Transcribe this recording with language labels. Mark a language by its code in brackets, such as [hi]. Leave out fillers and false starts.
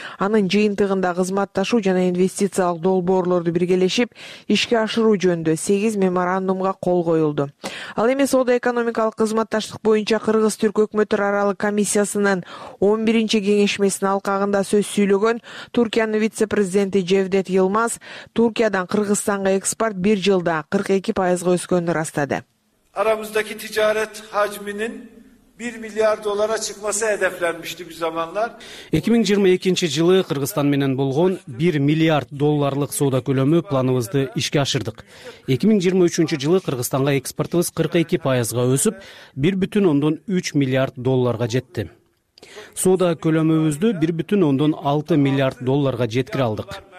[ky] Анын жыйынтыгында кызматташуу жана инвестициялык долбоорлорду биргелешип ишке ашыруу жөнүндө 8 меморандумга кол коюлду. Ал эми соода экономикалык кызматташтык боюнча кыргыз-түрк өкмөттөр аралык комиссиясынын 11 кеңешмесинин алкагында сөз сүйлөгөн Түркиянын вице-президенти Жевдет Йылмаз Түркиядан Кыргызстанга экспорт бир жылда 42% өскөнүн ырастады. [tr] Aramızdaki ticaret hacminin 1 milyar dolara çıkması hedeflenmişti bir zamanlar. [ky] 2022 жылы Кыргызстан менен болгон 1 миллиард долларлык соода көлөмү планыбызды ишке ашырдык. 2023 жылы Кыргызстанга экспортубуз 42% өсүп, 1,3 миллиард долларга жетти. Соода көлөмүбүздү 1,6 миллиард долларга жеткире алдык.